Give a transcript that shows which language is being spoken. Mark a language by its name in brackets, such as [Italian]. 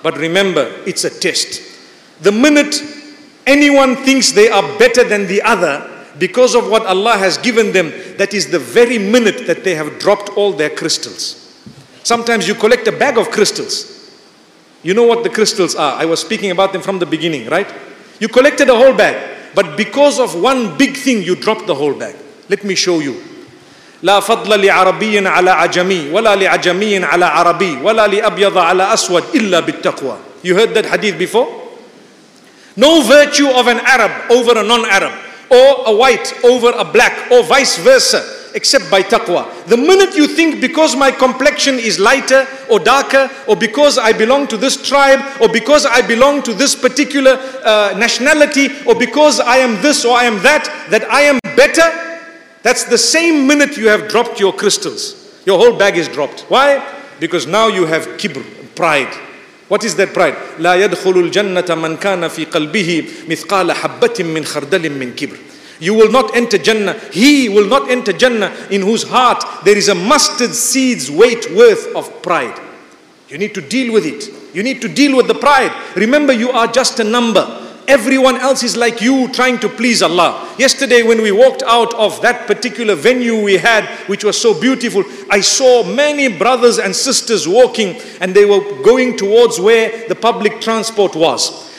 [English] But remember, it's a test. The minute anyone thinks they are better than the other because of what Allah has given them, that is the very minute that they have dropped all their crystals. Sometimes you collect a bag of crystals. You know what the crystals are. I was speaking about them from the beginning, right? You collected a whole bag, but because of one big thing, you dropped the whole bag. Let me show you. [Arabic] لا فضل لعربي على عجمي ولا لعجمي على عربي ولا لأبيض على أسود إلا بالتقوى. [English] You heard that hadith before? No virtue of an Arab over a non-Arab, or a white over a black, or vice versa, except by taqwa. The minute you think because my complexion is lighter or darker, or because I belong to this tribe, or because I belong to this particular nationality, or because I am this or I am that, that I am better, that's the same minute you have dropped your crystals. Your whole bag is dropped. Why? Because now you have kibr, pride. What is that pride? [Arabic] لا يدخل الجنة من كان في قلبه مثقال حبة من خردل من كبر. [English] You will not enter Jannah. He will not enter Jannah in whose heart there is a mustard seed's weight worth of pride. You need to deal with it. You need to deal with the pride. Remember, you are just a number. Everyone else is like you trying to please Allah. Yesterday when we walked out of that particular venue we had, which was so beautiful, I saw many brothers and sisters walking and they were going towards where the public transport was.